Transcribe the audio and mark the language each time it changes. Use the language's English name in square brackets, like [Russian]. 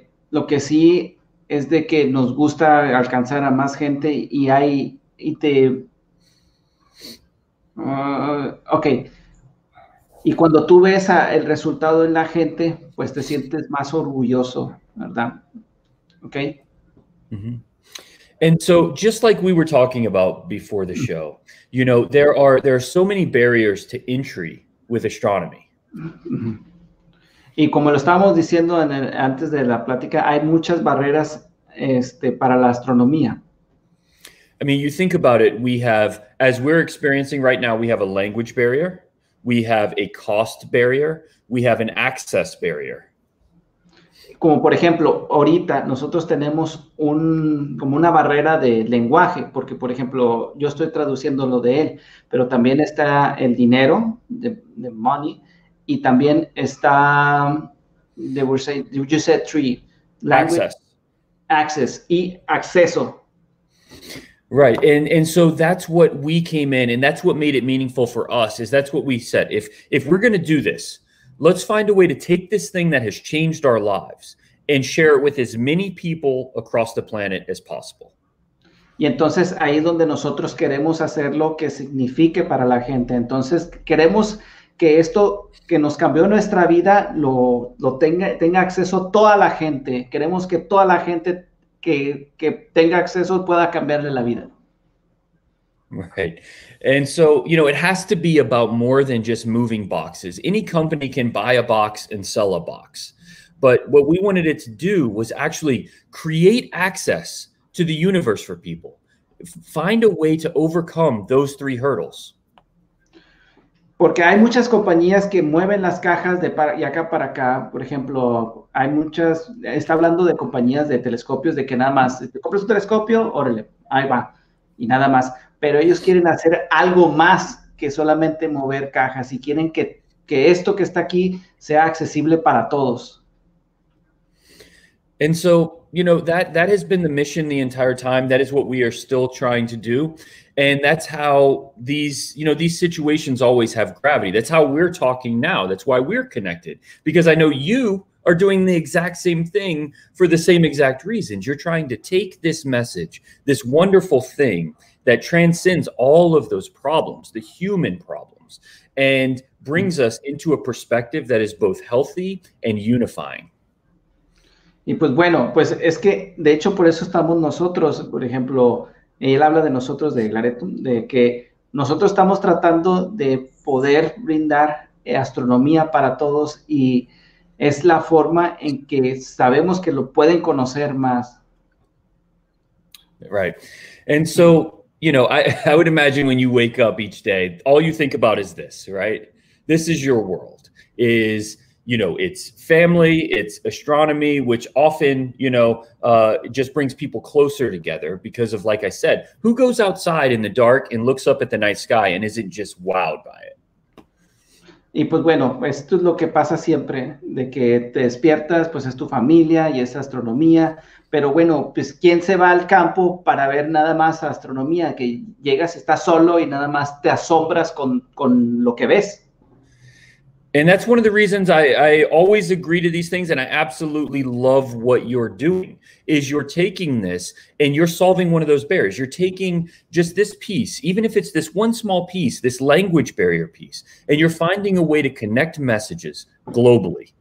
[Spanish] Lo que sí es de que nos gusta alcanzar a más gente y hay y te okay. Y cuando tú ves el resultado en la gente, pues te sientes más orgulloso, ¿verdad? [English] Okay. Mm-hmm. And so, just like we were talking about before the show, you know, there are so many barriers to entry with astronomy. [Spanish] Y como lo estábamos diciendo antes de la plática, hay muchas barreras para la astronomía. [English] I mean, you think about it, we have, as we're experiencing right now, we have a language barrier, we have a cost barrier, we have an access barrier. [Spanish] Como por ejemplo, ahorita nosotros tenemos como una barrera de lenguaje, porque por ejemplo, yo estoy traduciendo lo de él, pero también está el dinero, [English] the money, [Spanish] y también está, [English] you said three, language, access, [Spanish] y acceso. [English] Right. And so that's what we came in and that's what made it meaningful for us is that's what we said. If we're going to do this, let's find a way to take this thing that has changed our lives and share it with as many people across the planet as possible. [Spanish] Y entonces ahí es donde nosotros queremos hacer lo que signifique para la gente. Entonces queremos que esto que nos cambió nuestra vida lo tenga acceso toda la gente. Queremos que toda la gente que tenga acceso pueda cambiarle la vida. [English] Right. And so, you know, it has to be about more than just moving boxes. Any company can buy a box and sell a box. But what we wanted it to do was actually create access to the universe for people. Find a way to overcome those three hurdles. [Spanish] Porque hay muchas compañías que mueven las cajas de para, y acá para acá. Por ejemplo, hay muchas, está hablando de compañías de telescopios, de que nada más, te compras un telescopio, órale, ahí va, y nada más. Pero ellos quieren hacer algo más que solamente mover cajas y quieren que esto que está aquí sea accesible para todos. [English] And so, you know, that has been the mission the entire time. That is what we are still trying to do. And that's how these, you know, these situations always have gravity. That's how we're talking now. That's why we're connected. Because I know you are doing the exact same thing for the same exact reasons. You're trying to take this message, this wonderful thing that transcends all of those problems, the human problems, and brings us into a perspective that is both healthy and unifying. [Spanish] Y pues bueno, pues es que de hecho por eso estamos nosotros, por ejemplo, él habla de nosotros, de Claretum, de que nosotros estamos tratando de poder brindar astronomía para todos y es la forma en que sabemos que lo pueden conocer más. [English] Right. And so, you know, I would imagine when you wake up each day, all you think about is this, right? This is your world, is... You know, it's family, it's astronomy, which often, you know, just brings people closer together because of, like I said, who goes outside in the dark and looks up at the night sky and isn't just wowed by it? [Spanish] Y pues bueno, esto es lo que pasa siempre, de que te despiertas, pues es tu familia y es astronomía. Pero bueno, pues ¿quién se va al campo para ver nada más astronomía? Que llegas, estás solo y nada más te asombras con lo que ves. [English] And that's one of the reasons I always agree to these things, and I absolutely love what you're doing, is you're taking this and you're solving one of those barriers. You're taking just this piece, even if it's this one small piece, this language barrier piece, and you're finding a way to connect messages globally.